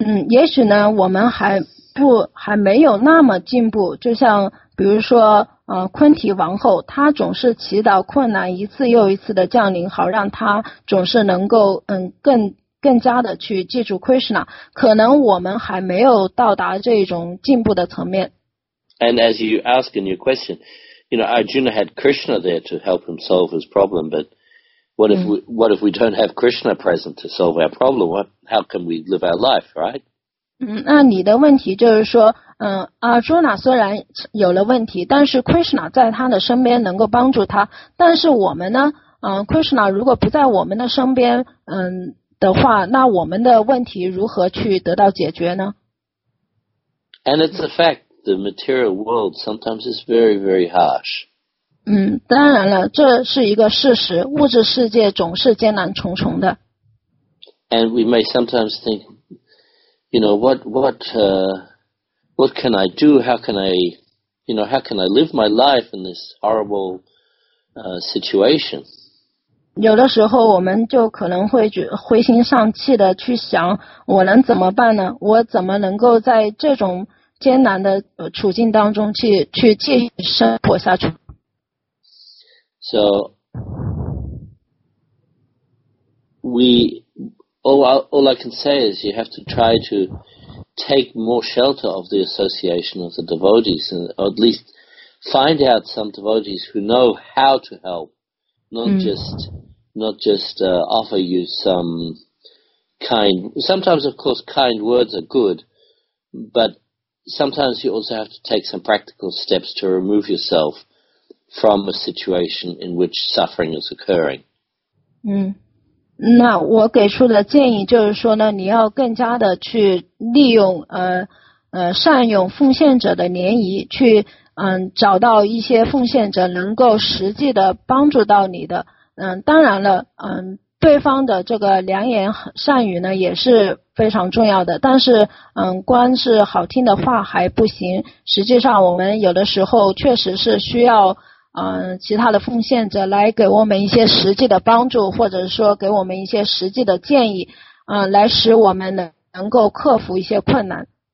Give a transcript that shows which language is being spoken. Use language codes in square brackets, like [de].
[zh] 也许呢，我们还没有那么进步。就像比如说，昆提王后，她总是祈祷困难一次又一次的降临，好让她总是能够更加的去记住 Krishna。可能我们还没有到达这种进步的层面。 [en] And as you ask in your question, you know, Arjuna had Krishna there to help him solve his problem, but what if we don't have Krishna present to solve our problem? How can we live our life, right? [zh] 那你的问题就是说，Arjuna 虽然有了问题，但是 Krishna 在他的身边能够帮助他，但是我们呢，Krishna 如果不在我们的身边，的话，那我们的问题如何去得到解决呢？ [en] And it's a fact. The material world sometimes is very, very harsh. [zh] 当然了，这是一个事实，物质世界总是艰难重重的。 [en] And we may sometimes think, you know, what can I do? How can I live my life in this horrible, situation? [zh] 有的时候我们就可能会灰心丧气的去想，我能怎么办呢？我怎么能够在这种艰难的处境当中去继续生活下去。 [en] So, all I can say is you have to try to take more shelter of the association of the devotees, and or at least find out some devotees who know how to help, not just offer you some kind. Sometimes, of course, kind words are good, but. Sometimes you also have to take some practical steps to remove yourself from a situation in which suffering is occurring. [zh] 那我给出的建议就是说呢，你要更加的去利用善用奉献者的联谊，去找到一些奉献者能够实际的帮助到你的。当然了，对方的这个良言善语呢也是非常重要的，但是光是好听的话还不行，实际上我们有的时候确实是需要其他的奉献者来给我们一些实际的帮助，或者说给我们一些实际的建议，来使我们能够克服一些困难。